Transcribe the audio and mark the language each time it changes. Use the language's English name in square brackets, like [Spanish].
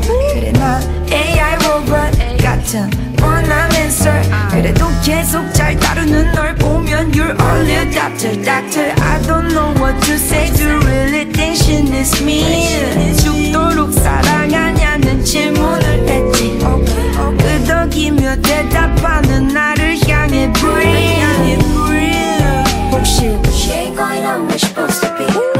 [Korean] 그래 난 AI 로봇 같은 원한 answer. 그래도 계속 잘 따르는 널 보면 [English] you're only a doctor. Doctor I don't know what to say. Do you really think she needs me? [Korean] 죽도록 사랑하냐는 질문을 했지. 끄덕이며 대답하는 나를 향해 [English] breathe. 혹시 she ain't going on where she supposed to be.